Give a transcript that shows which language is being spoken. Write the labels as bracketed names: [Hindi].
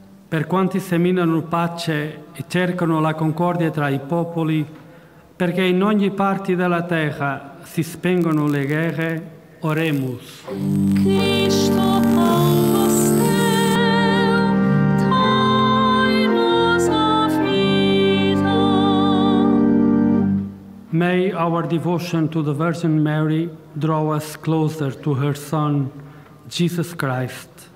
[Italian] Per quanti seminano pace e cercano la concordia tra i popoli, perché in ogni parte della terra si spengono le guerre, [Portuguese] oremos. Cristo, Pão do Céu, dai-nos a vida. [English] May our devotion to the Virgin Mary draw us closer to her Son, Jesus Christ.